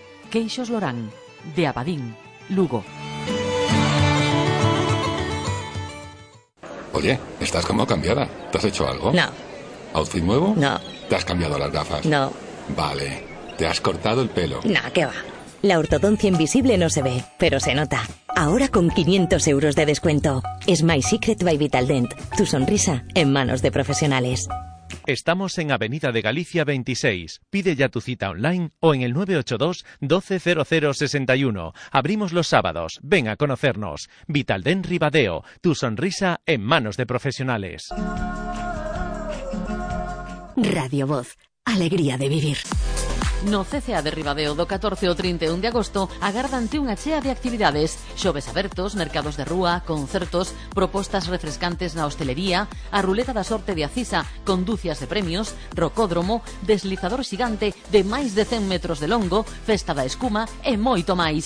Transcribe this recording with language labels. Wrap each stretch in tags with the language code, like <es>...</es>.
<gl>Queixos Lorán, de Abadín, Lugo.</gl> <es>Oye, estás como cambiada. ¿Te has hecho algo? No. ¿Outfit nuevo? No. ¿Te has cambiado las gafas? No. Vale. ¿Te has cortado el pelo? No, ¿qué va? La ortodoncia invisible no se ve, pero se nota. Ahora con 500 euros de descuento. Es My Secret by Vital Dent. Tu sonrisa en manos de profesionales. Estamos en Avenida de Galicia 26. Pide ya tu cita online o en el 982-12-0061. Abrimos los sábados. Ven a conocernos. Vitalden Ribadeo. Tu sonrisa en manos de profesionales. Radio Voz. Alegría de vivir.</es> <gl>No CCA de Ribadeo do 14 ao 31 de agosto agárdante unha chea de actividades. Xoves abertos, mercados de rúa, concertos, propostas refrescantes na hostelería, a ruleta da sorte de Acisa con dúcias de premios, rocódromo, deslizador xigante de máis de 100 metros de longo, festa da escuma e moito máis.</gl>